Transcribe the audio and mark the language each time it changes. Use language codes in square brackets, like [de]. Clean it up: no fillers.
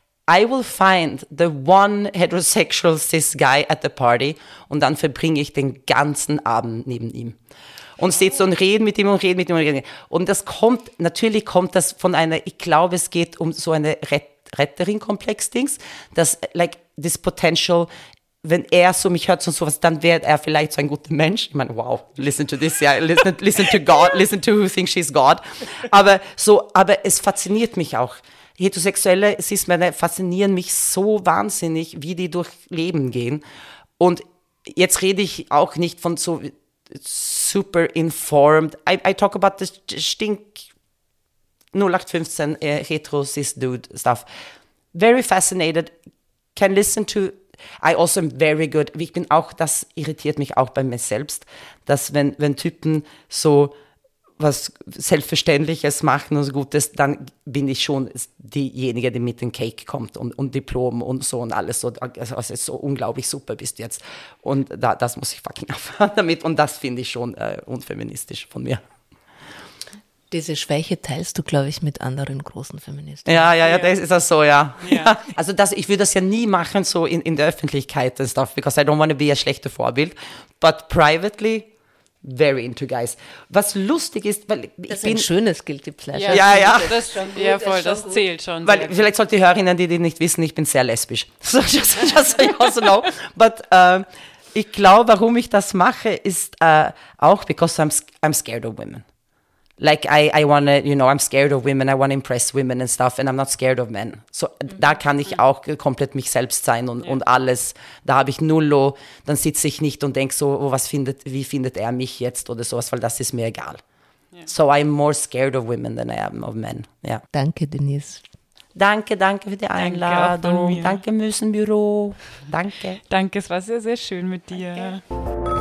[en] I will find the one heterosexual cis guy at the party und dann verbringe ich den ganzen Abend neben ihm. [de] Und sitzt und redet mit ihm und redet mit ihm und redet mit ihm. Und das kommt, natürlich kommt das von einer, ich glaube, es geht um so eine Retterin-Komplex-Dings, dass, like, this potential, wenn er so mich hört und sowas, dann wäre er vielleicht so ein guter Mensch. [en] Ich meine, wow, listen to this, yeah, listen to God, listen to who thinks she's God. [de] Aber es fasziniert mich auch. Heterosexuelle Cis-Männer faszinieren mich so wahnsinnig, wie die durch Leben gehen. Und jetzt rede ich auch nicht von so, super informed. [en] I talk about the stink 0815 hetero cis dude stuff. Very fascinated. Can listen to. I also am very good. [de] Ich bin auch, das irritiert mich auch bei mir selbst, dass wenn Typen so was Selbstverständliches machen und so Gutes, dann bin ich schon diejenige, die mit dem Cake kommt und Diplom und so und alles. Also so unglaublich super bist du jetzt. Und das muss ich fucking erfahren damit. Und das finde ich schon unfeministisch von mir. Diese Schwäche teilst du, glaube ich, mit anderen großen Feministen. Ja, ja, ja, ja. Das ist das so, ja. ja. Also das, ich würde das ja nie machen so in der Öffentlichkeit und stuff, because I don't want to be a schlechter Vorbild. [en] But privately, very into guys. Was lustig ist, weil [de] ich bin... Das ist ein schönes Guilty Pleasure. Ja, ja. Das ist schon gut, ja, voll, das schon zählt schon. Weil vielleicht sollte die Hörerinnen, die nicht wissen, ich bin sehr lesbisch. [en] So, just so you also know. But ich glaube, warum ich das mache, ist auch because I'm scared of women. like I want to, you know, I'm scared of women, I want to impress women and stuff and I'm not scared of men. [de] So da kann ich auch komplett mich selbst sein und, und alles, da habe ich nullo, dann sitze ich nicht und denke so, oh, was findet, wie findet er mich jetzt oder sowas, weil das ist mir egal. [en] So I'm more scared of women than I am of men. Yeah. [de] Danke, Denise. Danke, danke für die Einladung. Danke, Müssenbüro. Danke. Danke, es war sehr, sehr schön mit dir. Danke.